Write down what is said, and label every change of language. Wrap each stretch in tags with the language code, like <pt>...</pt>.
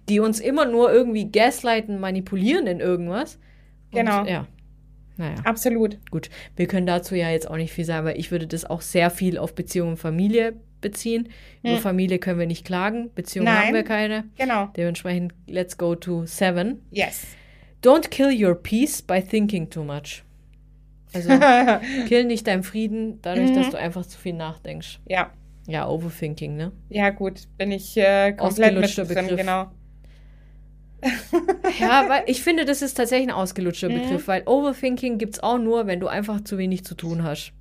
<de>Die uns immer nur irgendwie gaslighten, manipulieren in irgendwas. Und genau. Ja. Naja. Absolut. Gut, wir können dazu ja jetzt auch nicht viel sagen, weil ich würde das auch sehr viel auf Beziehung und Familie beziehen. Über Familie können wir nicht klagen, Beziehung haben wir keine. Genau. Dementsprechend,</de> <en>let's go to 7. Yes. Don't kill your peace by thinking too much.</en> <de>Also, kill nicht deinen Frieden dadurch, dass du einfach zu viel nachdenkst. Ja. Ja, overthinking, ne? Ja, gut, bin ich komplett mit drin, genau. Ja, weil ich finde, das ist tatsächlich ein ausgelutschter Begriff, weil Overthinking gibt es auch nur, wenn du einfach zu wenig zu tun hast.</de>